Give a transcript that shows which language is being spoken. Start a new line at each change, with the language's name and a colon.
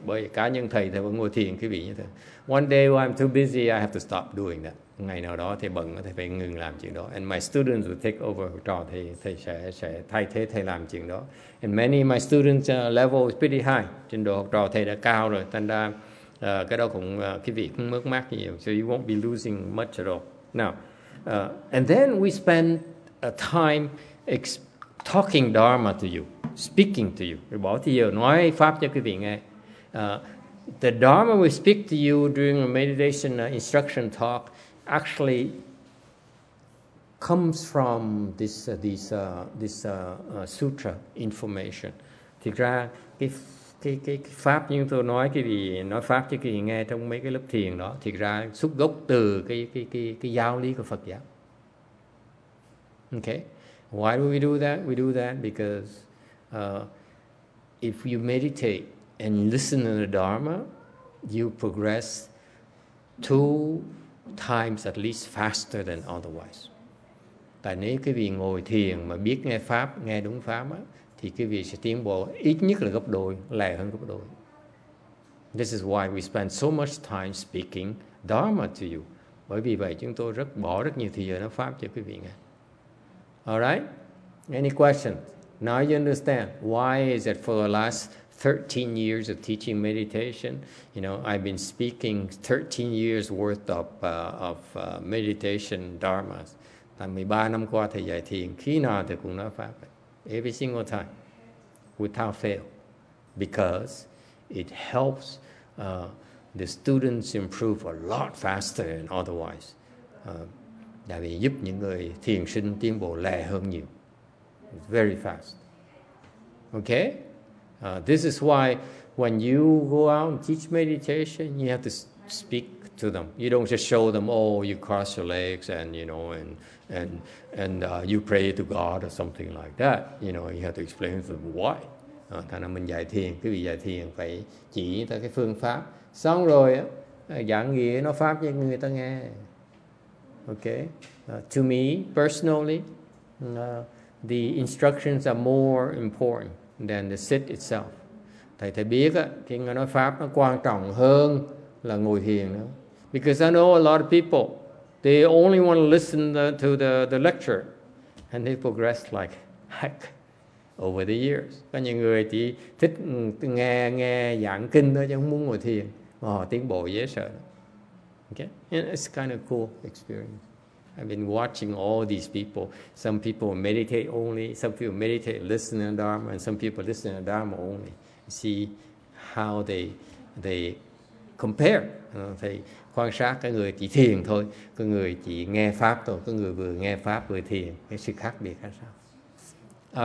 Vietnamese: Bởi cá nhân thầy thì vẫn ngồi thiền quý vị như thế.
English: One day when I'm too busy, I have to stop doing that.
Vietnamese: Ngày nào đó thầy bận thì phải ngừng làm chuyện đó.
English: And my students will take over
Vietnamese: trò thầy, thầy sẽ thay thế thầy làm chuyện đó.
English: And many of my students level is pretty high.
Vietnamese: Trình độ học trò thầy đã cao rồi. Thành ra cái đó cũng quý vị cũng mất mát nhiều.
English: So you won't be losing much at all. Now, and then we spend a time talking Dharma to you, speaking to you.
Vietnamese: Bỏ thì giờ nói pháp cho quý vị nghe.
English: The Dharma we speak to you during a meditation instruction talk actually comes from this sutra information.
Vietnamese: Thực ra cái pháp như tôi nói pháp cho quý vị nghe trong mấy cái lớp thiền đó, thực ra xuất gốc từ cái giáo lý của Phật giáo.
English: Okay, why do we do that? We do that because if you meditate and listen to the Dharma, you progress 2 times at least faster than otherwise.
Vietnamese: Tại nếu quý vị ngồi thiền mà biết nghe pháp, nghe đúng pháp á, thì quý vị sẽ tiến bộ ít nhất là gấp đôi, lẹ hơn gấp đôi.
English: This is why we spend so much time speaking Dharma to you.
Vietnamese: Bởi vì vậy chúng tôi rất bỏ rất nhiều thời giờ nói pháp cho quý vị nghe.
English: All right? Any questions? Now you understand why is it for the last 13 years of teaching meditation, you know, I've been speaking 13 years worth of meditation dharmas.
Vietnamese: Tại 13 năm qua thầy dạy thiền, khi nào thầy cũng nói pháp.
English: Every single time, without fail. Because it helps the students improve a lot faster than otherwise.
Vietnamese: Tại vì giúp những người thiền sinh tiến bộ lẹ hơn nhiều.
English: Very fast. Okay? This is why when you go out and teach meditation, you have to speak to them. You don't just show them, oh, you cross your legs and, you know, and you pray to God or something like that. You know, you have to explain to them why.
Vietnamese: Thành ra mình dạy thiền, quý vị dạy thiền phải chỉ ta cái phương pháp. Xong rồi, giảng nghĩa nó pháp cho người ta nghe.
English: Okay, to me personally, the instructions are more important than the sit itself.
Vietnamese: Thầy biết á, khi người nói pháp nó quan trọng hơn là ngồi thiền đó.
English: Because I know a lot of people, they only want to listen to the lecture, and they progress like heck over the years.
Vietnamese: Có nhiều người chỉ thích nghe giảng kinh thôi chứ không muốn ngồi thiền, mà họ tiến bộ dễ sợ.
English: Okay, and it's kind of cool experience. I've been watching all these people. Some people meditate only, some people meditate listening to Dharma, and some people listening to Dharma only. See how they compare.
Vietnamese: Thầy quan sát cái người chỉ thiền thôi, cái người chỉ nghe pháp thôi, cái người vừa nghe pháp vừa thiền, cái sự khác biệt là sao?